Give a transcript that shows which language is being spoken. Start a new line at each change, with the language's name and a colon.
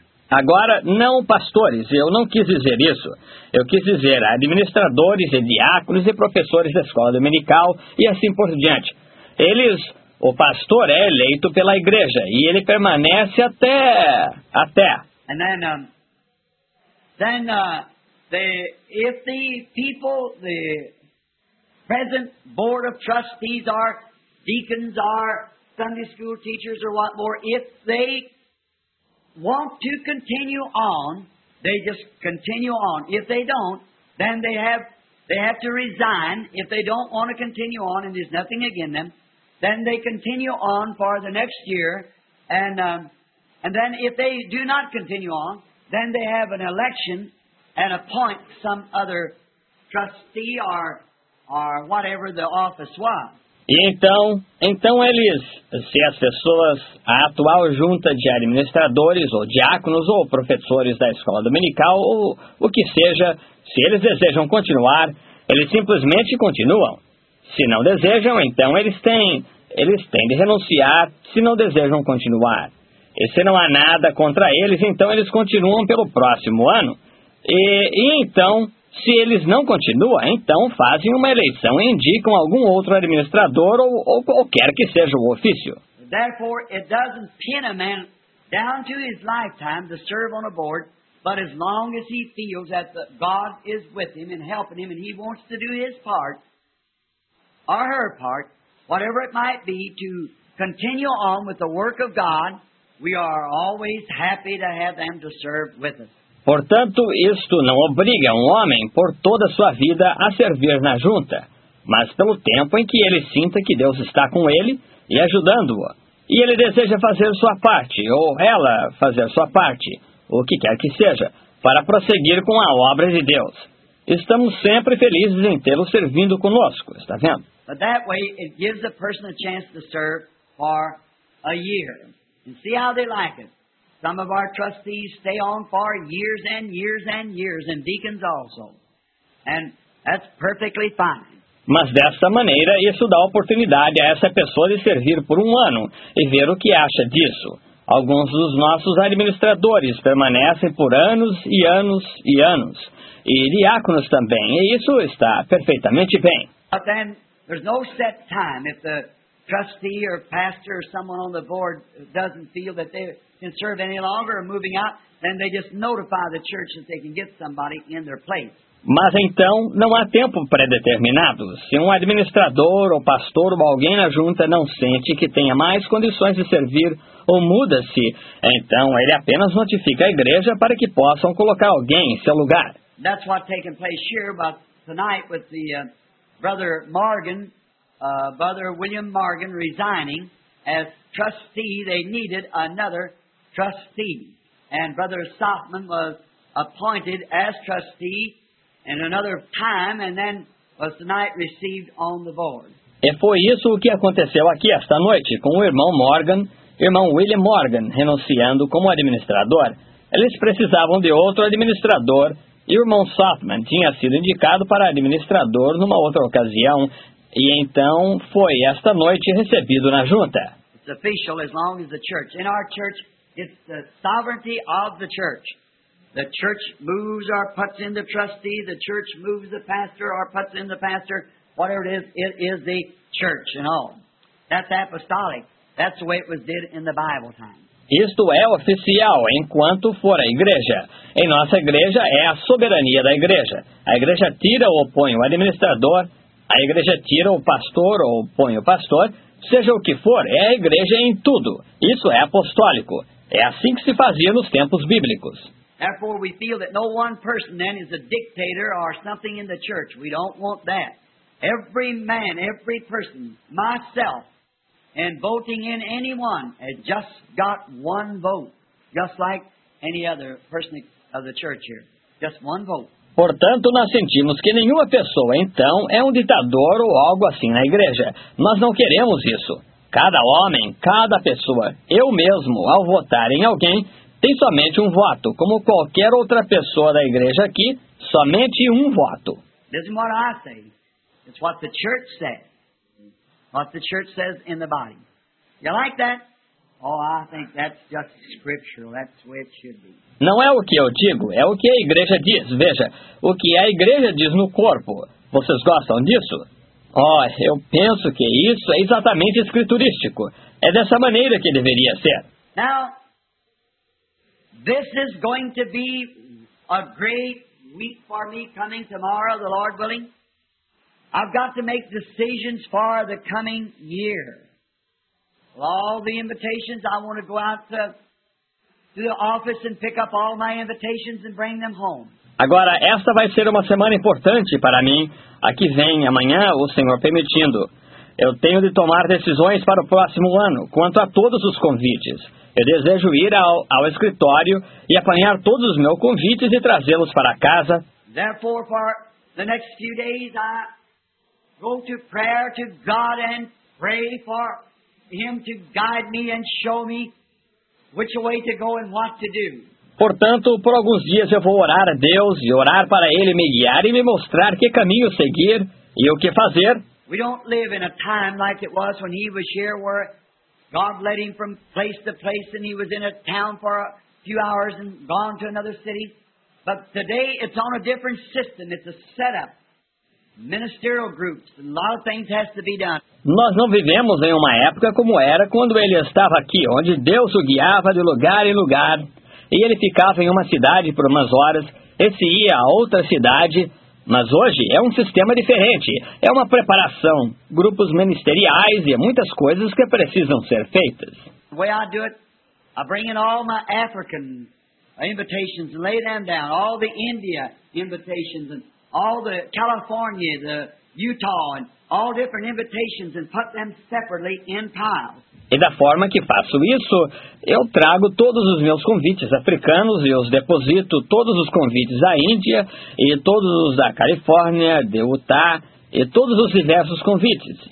Portuguese: Agora, não pastores, eu não quis dizer isso. Eu quis dizer administradores e diáconos e professores da escola dominical e assim por diante. O pastor é eleito pela igreja e ele permanece até.
English: And then, if the people, the present board of trustees are deacons, are Sunday school teachers or what more, if they want to continue on, they just continue on. If they don't, then they have to resign. If they don't want to continue on and there's nothing against them, then they continue on for the next year. And then if they do not continue on, then they have an election and appoint some other trustee or whatever the office was.
Portuguese: E então eles, se as pessoas, a atual junta de administradores, ou diáconos, ou professores da escola dominical, ou o que seja, se eles desejam continuar, eles simplesmente continuam. Se não desejam, então eles têm de renunciar se não desejam continuar. E se não há nada contra eles, então eles continuam pelo próximo ano. E então... Se eles não continuam, então fazem uma eleição e indicam algum outro administrador ou qualquer que seja o ofício.
English: Therefore, it doesn't pin a man down to his lifetime to serve on a board, but as long as he feels that God is with him and helping him and he wants to do his part or her part, whatever it might be, to continue on with the work of God, we are always happy to have them to serve with us.
Portuguese: Portanto, isto não obriga um homem por toda a sua vida a servir na junta, mas pelo tempo em que ele sinta que Deus está com ele e ajudando-o. E ele deseja fazer sua parte, ou ela fazer sua parte, o que quer que seja, para prosseguir com a obra de Deus. Estamos sempre felizes em tê-lo servindo conosco, está vendo?
English: But that way it gives a person a chance to serve for a year. And see how they like it. Some of our trustees stay on for years and years and years, and deacons also. And that's perfectly fine.
Portuguese: Mas desta maneira, isso dá oportunidade a essa pessoa de servir por um ano e ver o que acha disso. Alguns dos nossos administradores permanecem por anos e anos e anos. E diáconos também, e isso está perfeitamente bem.
English: But then, there's no set time. If the trustee or pastor or someone on the board doesn't feel that they can serve any longer or moving out, then they just notify the church that they can get somebody in their place.
Portuguese: Mas então não há tempo pré-determinado. Se um administrador ou pastor ou alguém na junta não sente que tenha mais condições de servir ou muda-se, então ele apenas notifica a igreja para que possam colocar alguém em seu lugar.
English: That's what's taking place here, but tonight with the brother Morgan, brother William Morgan resigning as trustee, they needed another trustee. And brother Stockman was appointed as trustee in another time and then was tonight received on the board.
Portuguese: E foi isso o que aconteceu aqui esta noite com o irmão Morgan, irmão William Morgan, renunciando como administrador. Eles precisavam de outro administrador e o irmão Softman tinha sido indicado para administrador numa outra ocasião e então foi esta noite recebido na junta.
English: It's official as long as the church. In our church, it's the sovereignty of the church. The church moves or puts in the trustee, the church moves the pastor or puts in the pastor, whatever it is the church and all. That's apostolic. That's the way it was did in the Bible time.
Portuguese: Isto é oficial enquanto for a igreja. Em nossa igreja é a soberania da igreja. A igreja tira ou põe o administrador, a igreja tira o pastor ou põe o pastor, seja o que for, é a igreja em tudo. Isso é apostólico. É assim que se fazia nos tempos bíblicos.
English: Therefore, we feel that no one person then is a dictator or something in the church. We don't want that. Every man, every person, myself, and voting in anyone, has just got one vote, just like any other person of the church here. Just one vote.
Portuguese: Portanto, nós sentimos que nenhuma pessoa, então, é um ditador ou algo assim na igreja. Nós não queremos isso. Cada homem, cada pessoa, eu mesmo, ao votar em alguém, tem somente um voto, como qualquer outra pessoa da igreja aqui, somente um voto.
English: This is what I say. It's what the church says. What the church says in the body. You like that? Oh, I think that's just scriptural. That's the way it should be.
Portuguese: Não é o que eu digo, é o que a igreja diz. Veja, o que a igreja diz no corpo. Vocês gostam disso? Oh, eu penso que isso é exatamente escriturístico. É dessa maneira que deveria ser.
English: Now, this is going to be a great week for me coming tomorrow, the Lord willing. I've got to make decisions for the coming year. All the invitations, I want to go out to the office and pick up all my invitations and bring them home.
Portuguese: Agora, esta vai ser uma semana importante para mim. Aqui vem amanhã, o Senhor permitindo. Eu tenho de tomar decisões para o próximo ano, quanto a todos os convites. Eu desejo ir ao escritório e apanhar todos os meus convites e trazê-los para casa.
English: Therefore, for the next few days, I go to prayer to God and pray for Him to guide me and show me which way to go and what to do.
Portuguese: Portanto, por alguns dias eu vou orar a Deus e orar para Ele me guiar e me mostrar que caminho seguir e o que fazer.
English: We don't live in a time like it was when He was here, where God led Him from place to place and He was in a town for a few hours and gone to another city. But today it's on a different system. It's a setup. Ministerial groups. A lot of things has to be done.
Portuguese: Nós não vivemos em uma época como era quando Ele estava aqui, onde Deus o guiava de lugar em lugar. E ele ficava em uma cidade por umas horas, e se ia a outra cidade. Mas hoje é um sistema diferente. É uma preparação, grupos ministeriais e muitas coisas que precisam ser feitas.
English: The way I do it, I bring in all my African invitations and lay them down. All the India invitations and all the California, the Utah and all different invitations and put them separately in piles.
Portuguese: E da forma que faço isso, eu trago todos os meus convites africanos e os deposito todos os convites da Índia e todos os da Califórnia, de Utah e todos os diversos convites.